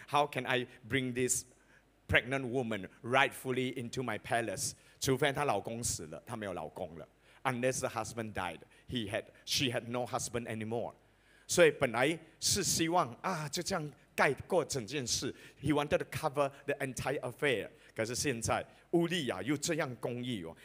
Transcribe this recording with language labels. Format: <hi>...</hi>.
<en>How can I bring this pregnant woman rightfully into my palace?</en> <zh>除非她老公死了，她没有老公了。</zh> <en>Unless the husband died, she had no husband anymore.</en> <zh>所以本来是希望啊，就这样盖过整件事。</zh> <en>He wanted to cover the entire affair.</en> <zh>可是现在乌利亚又这样公义哦。</zh>